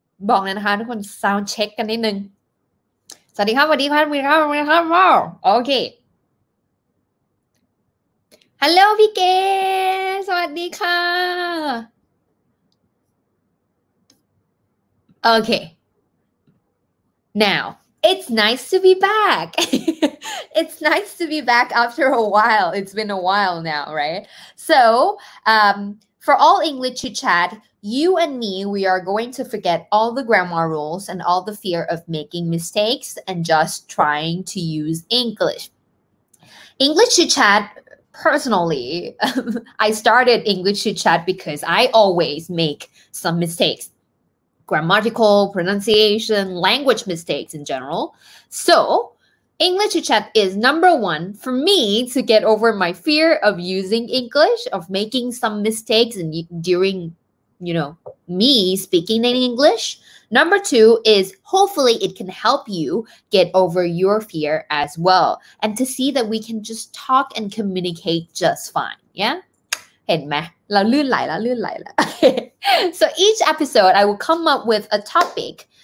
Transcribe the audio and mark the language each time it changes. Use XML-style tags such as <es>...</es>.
<th>บอกเลยนะคะทุกคน</th> <en>sound check</en> <th>กันนิดนึงสวัสดีครับสวัสดีครับสวัสดีครับสวัสดีครับโอเค Hello พี่เกสวัสดีค่ะโอเค</th> <en>Now it's nice to be back. It's nice to be back after a while. It's been a while now, right? So, for all English chitchat, you and me, we are going to forget all the grammar rules and all the fear of making mistakes and just trying to use English. English chitchat, personally, I started English chitchat because I always make some mistakes. Grammatical, pronunciation, language mistakes in general. So,English chat is number one for me to get over my fear of using English, of making some mistakes and during, you know, me speaking in English. Number two is hopefully it can help you get over your fear as well. And to see that we can just talk and communicate just fine. Yeah?</en> <th>เห็นไหม? เราลื่นไหลแล้วลื่นไหลแล้ว</th> <en>So each episode, I will come up with a topic.</en>